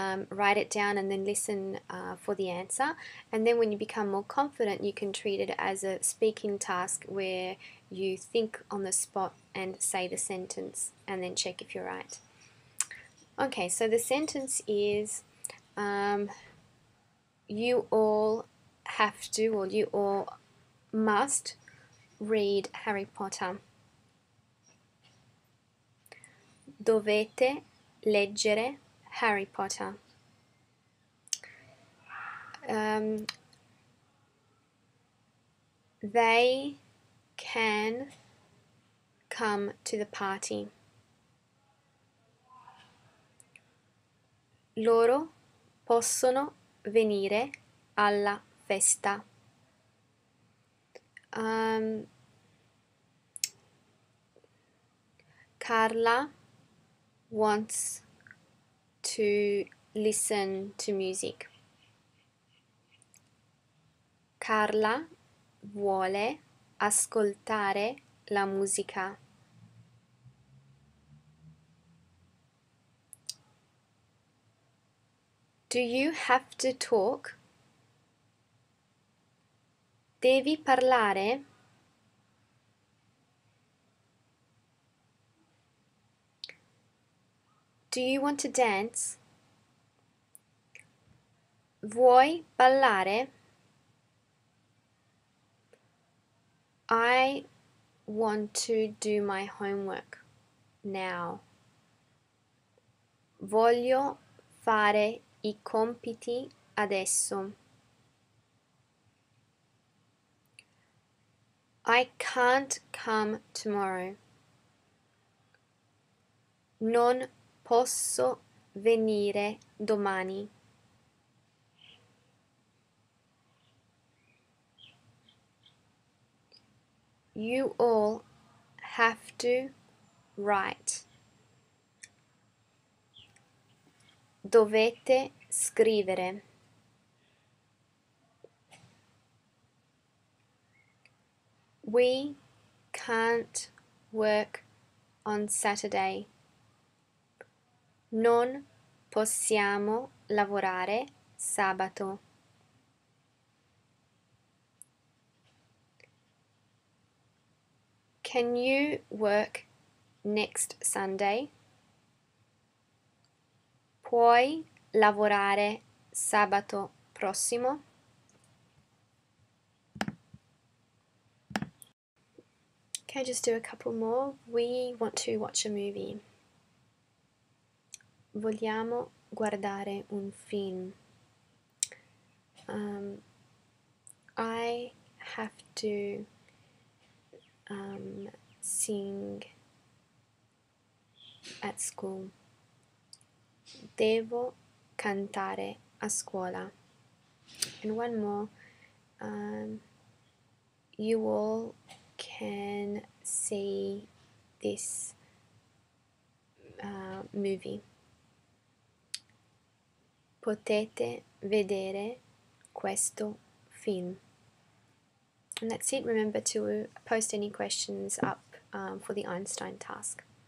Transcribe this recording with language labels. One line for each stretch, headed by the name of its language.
English: Write it down and then listen for the answer, and then when you become more confident you can treat it as a speaking task where you think on the spot and say the sentence and then check if you're right. Okay, so the sentence is you all have to, or you all must read Harry Potter.
Italian: Dovete leggere Harry Potter.
English: They can come to the party.
Italian: Loro possono venire alla festa.
English: Carla wants to listen to music.
Italian: Carla vuole ascoltare la musica.
English: Do you have to talk?
Italian: Devi parlare?
English: Do you want to dance?
Italian: Vuoi ballare?
English: I want to do my homework now.
Italian: Voglio fare i compiti adesso.
English: I can't come tomorrow.
Italian: Non posso venire domani.
English: You all have to write.
Italian: Dovete scrivere.
English: We can't work on Saturday.
Italian: Non Possiamo lavorare sabato.
English: Can you work next Sunday?
Italian: Puoi lavorare sabato prossimo?
English: Okay, just do a couple more. We want to watch a movie.
Italian: Vogliamo guardare un film.
English: I have to sing at school.
Italian: Devo cantare a scuola.
English: And one more. You all can see this movie.
Italian: Potete vedere questo film.
English: And that's it. Remember to post any questions up for the Einstein task.